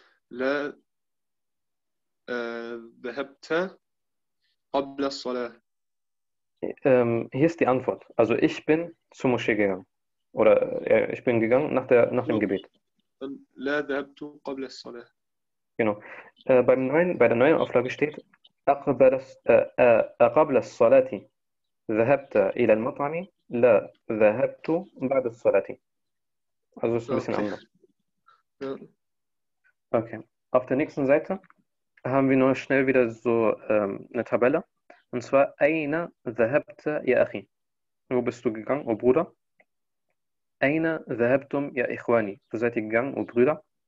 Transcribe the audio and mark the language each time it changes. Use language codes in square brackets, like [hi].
[ar] La dhahabta qabla as-salah. [de] Hier ist die Antwort. Also ich bin zur Moschee gegangen. Oder ich bin gegangen nach dem Genau. Gebet. [ar] Dann la dhahabtu qabla as-salah. [de] Genau. Bei der neuen Auflage steht, [ar] قبل الصلاة ذهبت إلى المطعم؟ لا، ذهبت بعد الصلاة. [de] Also ist ein bisschen Okay. anders. Ja. Okay. Auf der nächsten Seite haben wir noch schnell wieder so eine Tabelle. Und zwar, [ar] أين ذهبت يا أخي؟ [de] Wo bist du gegangen, o Bruder? [ar] أين ذهبتم يا إخواني؟ [de] Wo seid ihr gegangen, o Brüder?